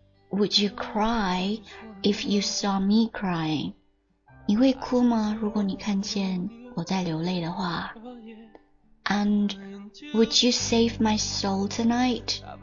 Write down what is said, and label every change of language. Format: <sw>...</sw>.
<en>Would you cry if you saw me crying?</en> <zh>你会哭吗？如果你看见我在流泪的话。</zh> <en>And would you save my soul tonight?</en>